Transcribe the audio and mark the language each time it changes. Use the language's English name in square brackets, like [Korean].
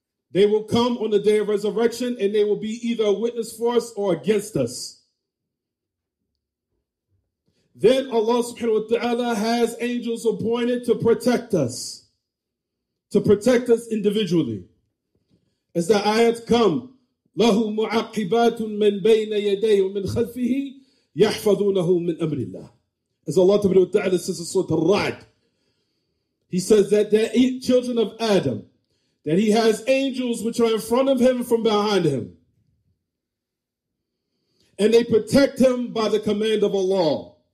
[English] They will come on the day of resurrection and they will be either a witness for us or against us. Then Allah subhanahu wa ta'ala has angels appointed to protect us. To protect us individually. As the ayat come, [Arabic] لَهُ مُعَقِّبَاتٌ مِّن بَيْنَ يَدَيْهُ مِّن خَلْفِهِ يَحْفَظُونَهُ مِّن أَمْرِ اللَّهِ. [English] As Allah subhanahu wa ta'ala says in Surah Al-Ra'd, he says that the children of Adam, that he has angels which are in front of him and from behind him. And they protect him by the command of Allah.